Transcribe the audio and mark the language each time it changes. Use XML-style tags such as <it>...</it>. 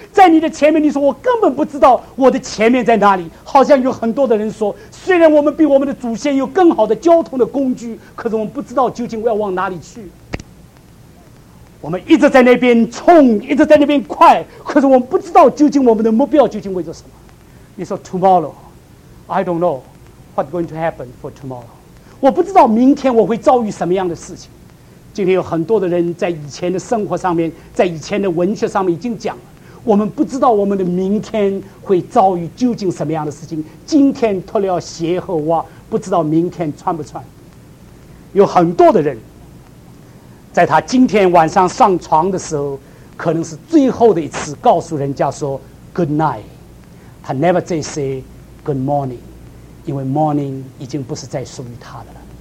<zh>在你的前面，你说我根本不知道我的前面在哪里，好像有很多的人说，虽然我们比我们的祖先有更好的交通的工具，可是我们不知道究竟要往哪里去。我们一直在那边冲，一直在那边快，可是我们不知道究竟我们的目标究竟为了什么。你说</zh> <en>tomorrow， I don't know what's going to happen for tomorrow，</en> <zh>我不知道明天我会遭遇什么样的事情。今天有很多的人在以前的生活上面，在以前的文学上面已经讲了，我们不知道我们的明天会遭遇究竟什么样的事情。今天脱了鞋和袜，不知道明天穿不穿。有很多的人在他今天晚上上床的时候，可能是最后的一次告诉人家说</zh> <en>good night，</en> <zh>他 never再</zh> <en>say good morning，</en> <zh>因为 morning 已经不是再属于他的了。</zh>